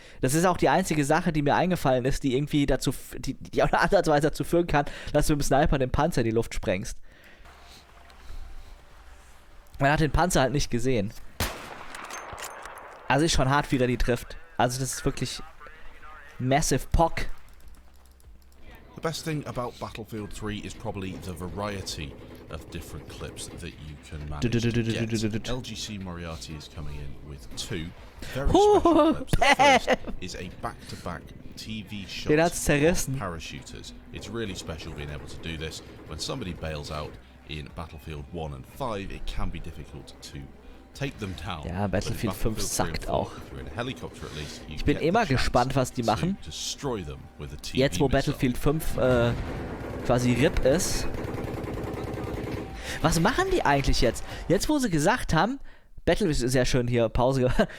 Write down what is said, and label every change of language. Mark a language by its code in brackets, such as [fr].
[de] Das ist auch die einzige Sache, die mir eingefallen ist, die irgendwie dazu, die auch andersweise dazu führen kann, dass du mit dem Sniper den Panzer in die Luft sprengst. Man hat den Panzer halt nicht gesehen. Also ist schon hart, wie er die trifft. Also das ist wirklich massive Pock. [en] The best thing about Battlefield 3 is probably the variety of different clips that you can manage to get. LGC Moriarty is coming in with two very special clips. The first is a back-to-back TV shot of parachuters. It's really special being able to do this. When somebody bails out in Battlefield 1 and 5, it can be difficult to take them down. Yeah, Battlefield 5 sucked auch. Helicopter at least, [de] ich bin immer gespannt, was die machen. Jetzt, wo Battlefield 5 quasi RIP ist. Was machen die eigentlich jetzt? Jetzt, wo sie gesagt haben, Battlefield ist sehr schön hier, Pause.